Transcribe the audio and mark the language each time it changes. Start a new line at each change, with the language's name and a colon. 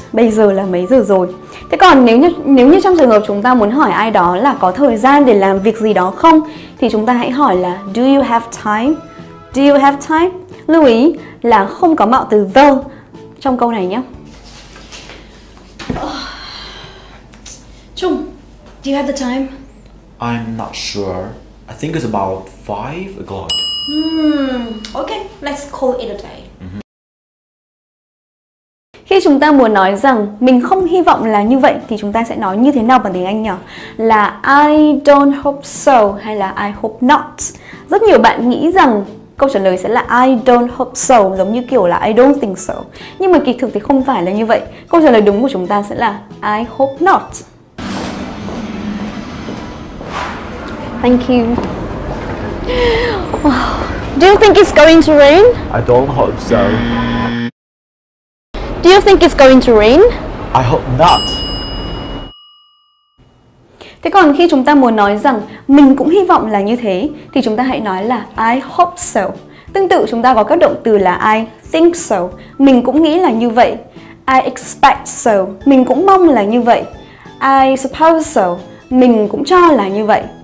Vietnamese: Bây giờ là mấy giờ rồi? Thế còn nếu như trong trường hợp chúng ta muốn hỏi ai đó là có thời gian để làm việc gì đó không, thì chúng ta hãy hỏi là
English: do you have time?
Vietnamese: Do you have time? Lưu ý là không có mạo từ the trong câu này nhé.
English: Chung, do you have the time? I'm not sure. I think it's about 5 o'clock. Okay, let's call it a day.
Vietnamese: Khi chúng ta muốn nói rằng mình không hy vọng là như vậy thì chúng ta sẽ nói như thế nào bằng tiếng Anh nhỉ? Là
English: I don't hope so
Vietnamese: hay là
English: I hope not?
Vietnamese: Rất nhiều bạn nghĩ rằng câu trả lời sẽ là
English: I don't hope so,
Vietnamese: giống như kiểu là
English: I don't think so.
Vietnamese: Nhưng mà kỳ thực thì không phải là như vậy. Câu trả lời đúng của chúng ta sẽ là
English: I hope not. Thank you. Do you think it's going to rain? I don't hope so. Do you think it's going to rain? I hope not.
Vietnamese: Thế còn khi chúng ta muốn nói rằng mình cũng hy vọng là như thế thì chúng ta hãy nói là
English: I hope so.
Vietnamese: Tương tự chúng ta có các động từ là
English: I think so,
Vietnamese: mình cũng nghĩ là như vậy.
English: I expect so,
Vietnamese: mình cũng mong là như vậy.
English: I suppose so,
Vietnamese: mình cũng cho là như vậy.